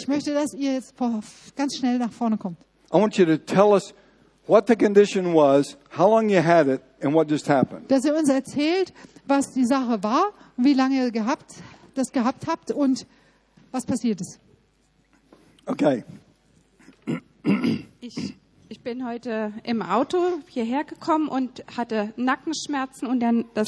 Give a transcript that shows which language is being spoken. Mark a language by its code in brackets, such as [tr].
[de] Ich möchte, dass ihr jetzt ganz schnell nach vorne kommt. [en] I want you to tell us what the condition was, how long you had it, and what just happened. [de] Dass ihr uns erzählt, was die Sache war, wie lange ihr das gehabt habt und was passiert ist. [en] Okay. [de] Ich bin heute im Auto hierher gekommen und hatte Nackenschmerzen und dann das